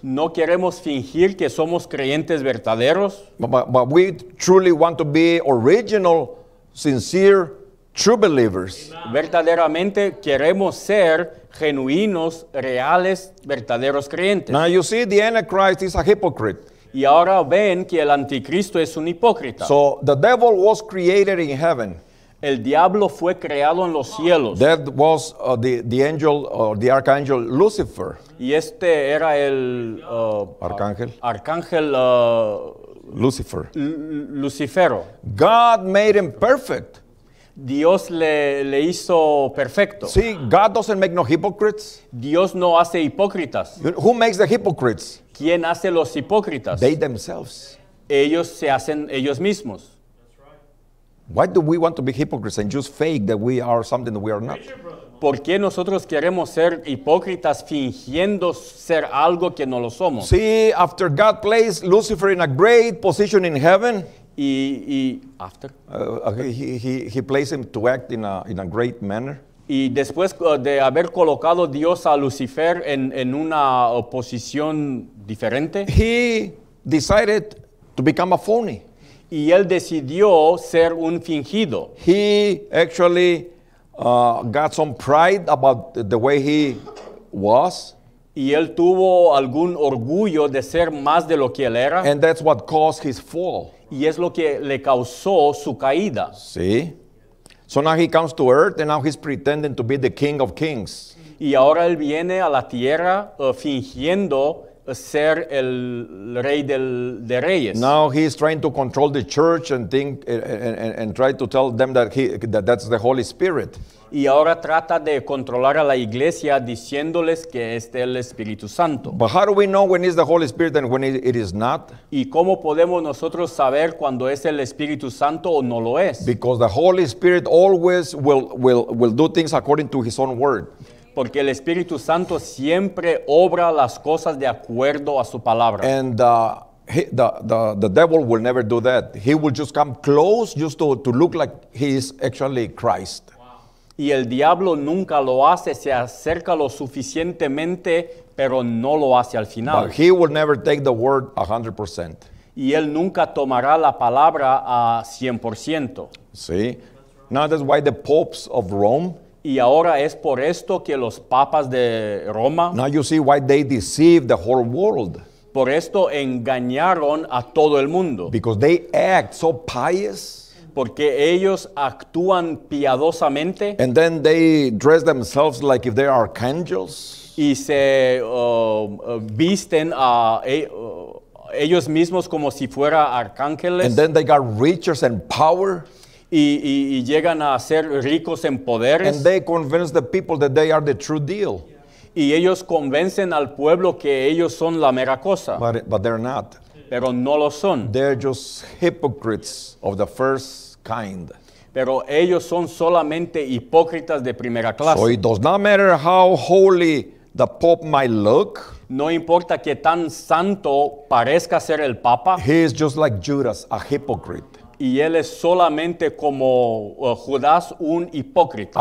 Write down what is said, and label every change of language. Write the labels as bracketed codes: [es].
[es] No queremos fingir que somos creyentes verdaderos. [en] But we truly want to be original, sincere, true believers. [es] Verdaderamente queremos ser genuinos, reales, verdaderos creyentes. [en] Now you see the Antichrist is a hypocrite. [es] Y ahora ven que el anticristo es un hipócrita. [en] So the devil was created in heaven. [es] El diablo fue creado en los cielos. [en] That was the angel or the archangel Lucifer. [es] Y este era el arcángel. Arcángel Lucifer. Lucifero. [en] God made him perfect. [es] Dios le hizo perfecto. [en] See, God doesn't make no hypocrites. [es] Dios no hace hipócritas. [en] Who makes the hypocrites? [es] ¿Quién hace los hipócritas? [en] They themselves. [es] Ellos se hacen ellos mismos. [en] Why do we want to be hypocrites and just fake that we are something that we are not? [es] ¿Por qué nosotros queremos ser hipócritas fingiendo ser algo que no lo somos? [en] See, after God placed Lucifer in a great position in heaven, y after he placed him to act in a great manner, [es] y después de haber colocado Dios a Lucifer en una posición diferente, [en] he decided to become a phony. [es] Y él decidió ser un fingido. [en] He actually got some pride about the way he was. [es] Y él tuvo algún orgullo de ser más de lo que él era. [en] And that's what caused his fall. [es] Y es lo que le causó su caída. [en] See? So now he comes to earth and now he's pretending to be the King of Kings. [es] Y ahora él viene a la tierra fingiendo ser el rey del, de reyes. [en] Now he's trying to control the church and think and try to tell them that he that that's the Holy Spirit. [es] Y ahora trata de controlar a la iglesia diciéndoles que es el Espíritu Santo. [en] But how do we know when it's the Holy Spirit and when it is not? [es] ¿Y cómo podemos nosotros saber cuando es el Espíritu Santo o no lo es? [en] Because the Holy Spirit always will do things according to his own word. [es] Porque el Espíritu Santo siempre obra las cosas de acuerdo a su palabra. [en] And the devil will never do that. He will just come close just to look like he is actually Christ. [es] Y el diablo nunca lo hace, se acerca lo suficientemente, pero no lo hace al final. [en] But he will never take the word 100%. [es] Y él nunca tomará la palabra a 100%. [en] See? Now that's why the popes of Rome. [es] Y ahora es por esto que los papas de Roma. [en] Now you see why they deceive the whole world. [es] Por esto engañaron a todo el mundo. [en] Because they act so pious. [es] Porque ellos actúan piadosamente. [en] And then they dress themselves like if they are archangels. [es] Y se visten a ellos mismos como si fuera arcángeles. [en] And then they got riches and power. [es] Y llegan a ser ricos en poderes. [en] And they convince the people that they are the true deal. [es] Y ellos convencen al pueblo que ellos son la mera cosa. [en] But they're not. [es] Pero no lo son. [en] They're just hypocrites of the first kind. [es] Pero ellos son solamente hipócritas de primera clase. [en] So it does not matter how holy the Pope might look. [es] No importa que tan santo parezca ser el Papa. [en] He is just like Judas, a hypocrite. [es] Y él es solamente como Judas, un hipócrita.